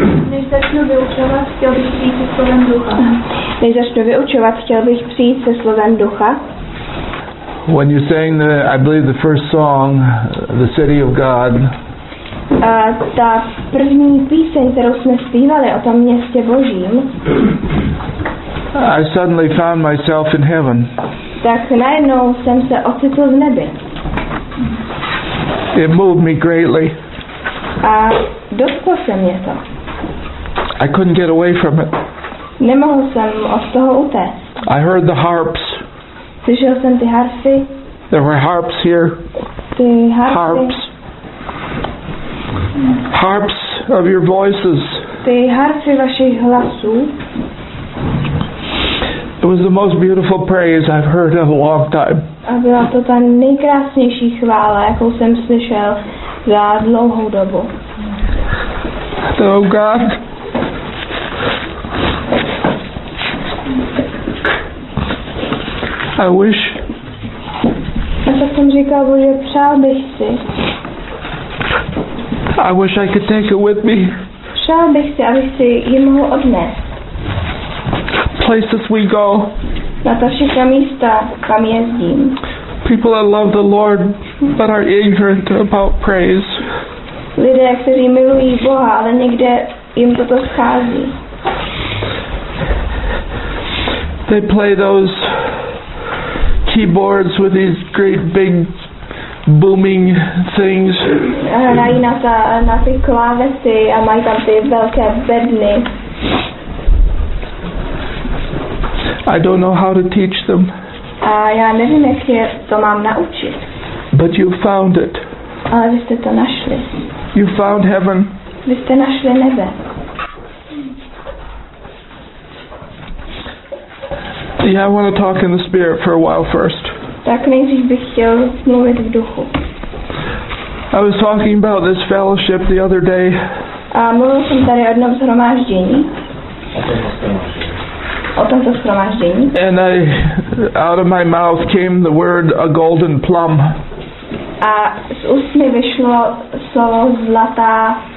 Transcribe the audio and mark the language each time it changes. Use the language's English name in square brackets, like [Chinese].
[Czech] Než začnu vyučovat, chtěl bych přijít se slovem ducha. Než začnu vyučovat, chtěl bych přijít se slovem ducha. [English] When you sang the, I believe the first song, the City of God. [Czech] Ta první píseň, kterou jsme zpívali o tom městě Božím. [English] I suddenly found myself in heaven. [Czech] Tak najednou jsem se ocitl v nebi. [English] It moved me greatly. [Czech] A dotklo se mě to. [English] I couldn't get away from it. [Czech] Nemohl jsem od toho utéct. [English] I heard the harps. [Czech] Slyšel jsem ty harfy. [English] There were harps here. [Czech] Ty harfy. [English] Harps. Harps of your voices. [Czech] Ty harfy vašich hlasů. [English] It was the most beautiful praise I've heard in a long time. [Czech] A byla to ta nejkrásnější chvála, jakou jsem slyšel za dlouhou dobu. [English] Oh God. I wish. [Czech] A tak jsem říkal, Bože, přál bych si. [English] I wish I could take it with me. [Czech] Přál bych si, abych si ji mohl odnést. [English] Places we go. [Czech] Na ta všechna místa, kam jezdím. [English] People that love the Lord, but are ignorant about praise. [Czech] Lidé, kteří milují Boha, ale někde jim toto schází. [English] They play those keyboards with these great big booming things. [Czech] Hrají na ty klávesy a mají tam ty velké bedny. [English] I don't know how to teach them. [Czech] A já nevím, jak je to mám naučit. [English] But you found it. [Czech] Ale vy jste to našli. [English] You found heaven. [Czech] Vy jste našli nebe. [English] Yeah, I want to talk in the spirit for a while first. [Czech] Tak nejdřív bych chtěl mluvit v duchu. [English] I was talking about this fellowship the other day. [Czech] A mluvil jsem tady o jednom shromáždění. O tomto shromáždění. [English] And I, out of my mouth came the word a golden plum. [Czech] A z úst mi vyšlo slovo zlatá.